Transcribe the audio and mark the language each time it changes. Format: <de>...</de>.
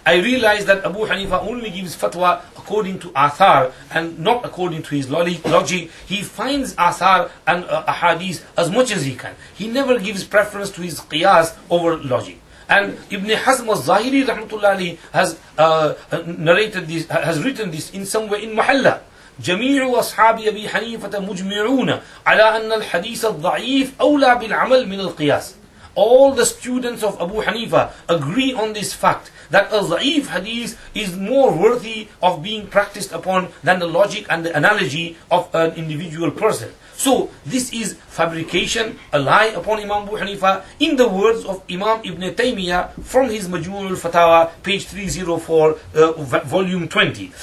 <en>I realized that Abu Hanifa only gives fatwa according to athar and not according to his logic. He finds athar and ahadith as much as he can. He never gives preference to his qiyas over logic. And Ibn Hazm al-Zahiri rahmatullahi alayhi has written this in somewhere in Muhalla.</en> <ar>جميع أصحاب أبي حنيفة مجمعون على أن الحديث الضعيف أولى بالعمل من القياس.</ar> <en>All the students of Abu Hanifa agree on this fact that a ضعيف hadith is more worthy of being practiced upon than the logic and the analogy of an individual person. So this is fabrication, a lie upon Imam Abu Hanifa, in the words of Imam Ibn Taymiyyah from his Majmu' al-Fatawa, page 304, volume 20.</en>